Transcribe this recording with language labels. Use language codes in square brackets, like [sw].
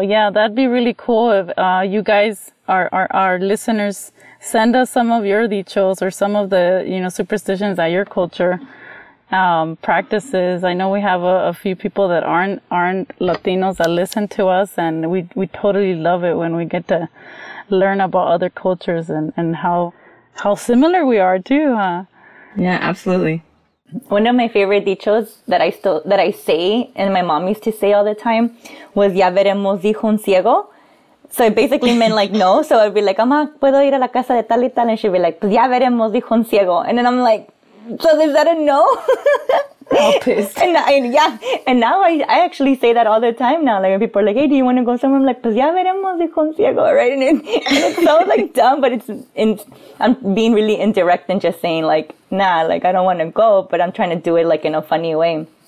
[en] Yeah, that'd be really cool if you guys, our listeners, send us some of your dichos or some of the, you know, superstitions that your culture practices. I know we have a few people that aren't Latinos that listen to us, and we totally love it when we get to learn about other cultures and how similar we are too, huh? Yeah, absolutely. One of my favorite dichos that I say and my mom used to say all the time was [es] ya veremos, dijo un ciego. [en] So it basically meant like no. So I'd be like, [es] ama, puedo ir a la casa de tal y tal, [en] and she'd be like, [es] pues ya veremos, dijo un ciego. [en] And then I'm like, so is that a no? All pissed. And now I actually say that all the time now. Like, when people are like, hey, do you want to go somewhere? I'm like, [es] pues ya veremos, dijo un ciego, [en] right? And it's so like dumb, but I'm being really indirect and just saying like, nah, like, I don't want to go, but I'm trying to do it like in a funny way.